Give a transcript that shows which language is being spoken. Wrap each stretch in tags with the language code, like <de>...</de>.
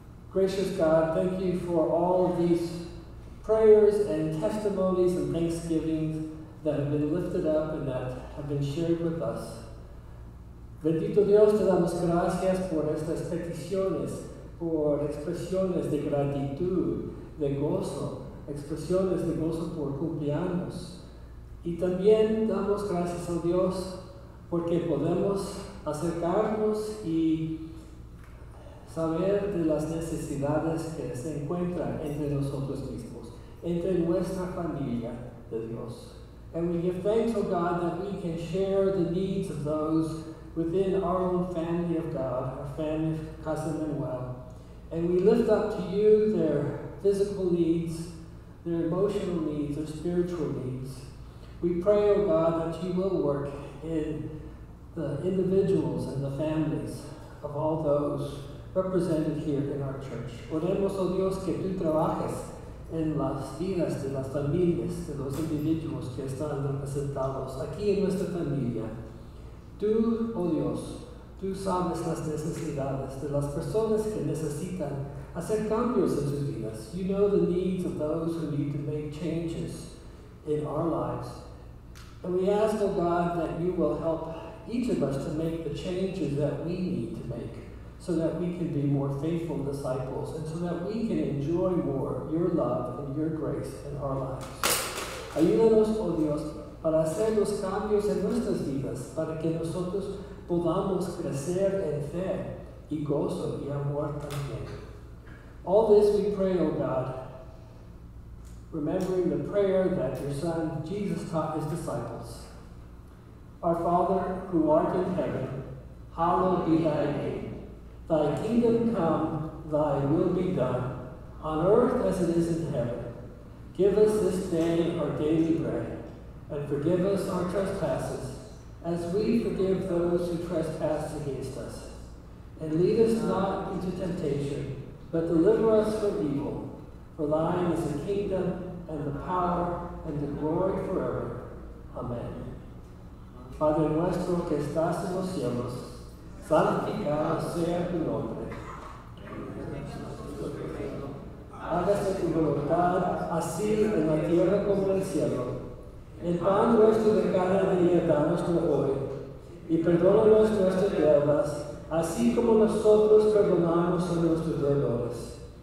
<en>Gracious God, thank you for all of these prayers and testimonies and thanksgivings that have been lifted up and that have been shared with us.</en> <es>Bendito Dios, te damos gracias por estas peticiones, por expresiones de gratitud, de gozo, expresiones de gozo por cumpleaños. Y también damos gracias a Dios porque podemos acercarnos y saber de las necesidades que se encuentran entre nosotros mismos, entre nuestra familia de Dios.</es> <en>And we give thanks, oh God, that we can share the needs of those within our own family of God, our family of Casa Manuel, and we lift up to you their physical needs, their emotional needs, their spiritual needs. We pray, O God, that you will work in the individuals and the families of all those represented here in our church.</en> <es>Oremos, oh Dios, que tú trabajes en las vidas de las familias de los individuos que están representados aquí en nuestra familia. Tú, oh Dios, tú sabes las necesidades de las personas que necesitan hacer cambios en sus vidas.</es> <en>You know the needs of those who need to make changes in our lives. And we ask, oh God, that you will help each of us to make the changes that we need to make, so that we can be more faithful disciples, and so that we can enjoy more your love and your grace in our lives.</en> <es>Ayúdanos, oh Dios, para hacer los cambios en nuestras vidas, para que nosotros podamos crecer en fe y gozo y amor también.</es> <en>All this we pray, oh God, remembering the prayer that your Son Jesus taught his disciples. Our Father, who art in heaven, hallowed be thy name. Thy kingdom come, thy will be done, on earth as it is in heaven. Give us this day our daily bread, and forgive us our trespasses, as we forgive those who trespass against us. And lead us not into temptation, but deliver us from evil. For thine is the kingdom, and the power, and the glory forever. Amen.</en> <es>Padre nuestro que estás en los cielos, santificado sea tu nombre. Hágase tu voluntad, así en la tierra como en el cielo. El pan nuestro de cada día danos hoy. Y perdónanos nuestras deudas, así como nosotros perdonamos a nuestros deudores.</es>